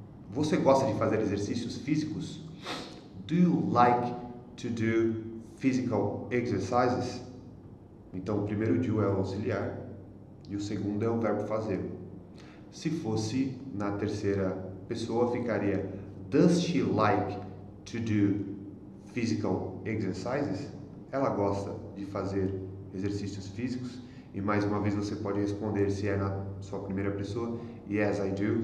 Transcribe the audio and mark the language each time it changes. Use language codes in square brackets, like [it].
[pt] Você gosta de fazer exercícios físicos? [en] Do you like to do physical exercises? [pt] Então, o primeiro do é o auxiliar e o segundo é o verbo fazer. Se fosse na terceira pessoa, ficaria [en] Does she like to do physical exercises? [pt] Ela gosta de fazer exercícios físicos? E mais uma vez você pode responder se é na sua primeira pessoa: [en] Yes, I do.